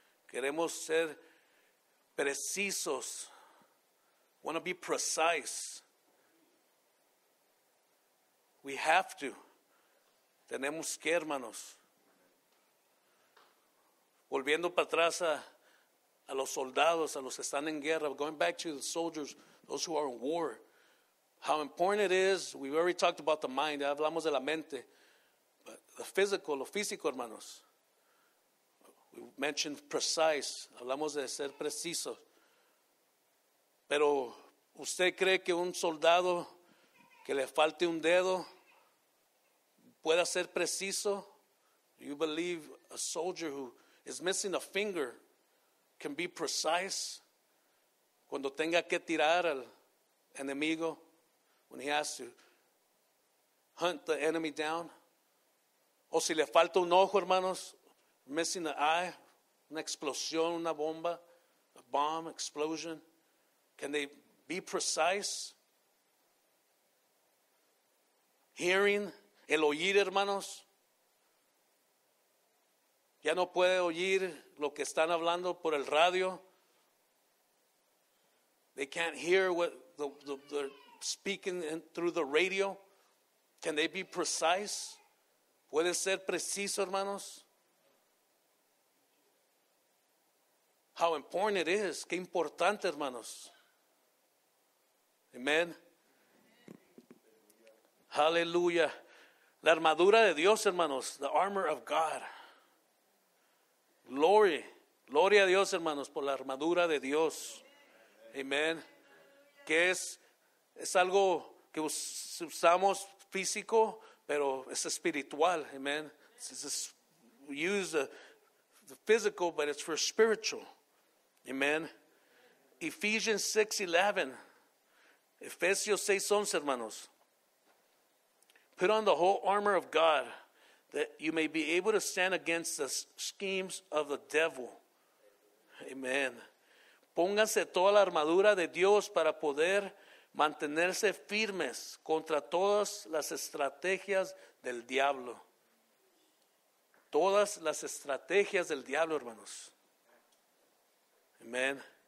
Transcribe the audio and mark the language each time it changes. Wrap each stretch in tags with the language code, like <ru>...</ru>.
<es>Queremos ser precisos.</es> <en>Want to be precise. We have to.</en> <es>Tenemos que, hermanos. Volviendo para atrás a los soldados, a los que están en guerra.</es> <en>Going back to the soldiers, those who are in war. How important it is. We've already talked about the mind.</en> <es>Ya hablamos de la mente.</es> <en>But the physical,</en> <es>lo físico, hermanos.</es> <en>We mentioned precise.</en> <es>Hablamos de ser preciso. Pero, ¿usted cree que un soldado que le falte un dedo pueda ser preciso?</es> <en>Do you believe a soldier who is missing a finger can be precise</en> <es>cuando tenga que tirar al enemigo,</es> <en>when he has to hunt the enemy down?</en> <es>O si le falta un ojo, hermanos,</es> <en>missing an eye,</en> <es>una explosión, una bomba,</es> <en>a bomb, explosion, can they be precise?</en> <es>Hearing, el oír, hermanos. Ya no puede oír lo que están hablando por el radio.</es> <en>They can't hear what they're speaking through the radio. Can they be precise?</en> <es>¿Puede ser preciso, hermanos?</es> <en>How important it is.</en> <es>Qué importante, hermanos. Amén. Aleluya. La armadura de Dios, hermanos.</es> <en>The armor of God. Glory.</en> <es>Gloria a Dios, hermanos, por la armadura de Dios. Amén. Que es algo que usamos físico, pero es espiritual. Amén.</es> <en>We use the physical, but it's for spiritual. Amén. Ephesians 6:11. Ephesians 6:11, hermanos. Put on the whole armor of God that you may be able to stand against the schemes of the devil. Amen.</en> <es>Pónganse toda la armadura de Dios para poder mantenerse firmes contra todas las estrategias del diablo. Todas las estrategias del diablo, hermanos. Amen.</es>